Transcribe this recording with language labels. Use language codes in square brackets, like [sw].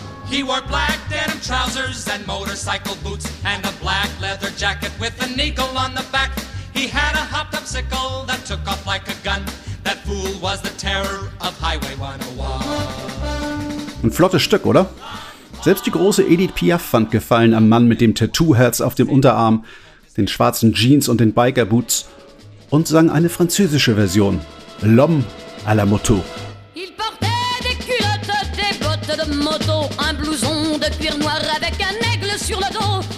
[en] He wore black denim trousers and motorcycle boots and a black leather jacket with an eagle on the back. He had a hopped-up sickle that took off like a gun. That fool was the terror of Highway 101. [de] Ein flottes Stück, oder? Selbst die große Edith Piaf fand Gefallen am Mann mit dem Tattoo-Herz auf dem Unterarm, den schwarzen Jeans und den Biker-Boots und sang eine französische Version, L'homme à la moto. [fr] Il portait des culottes, des bottes de moto, un blouson de cuir noir avec un aigle sur le dos.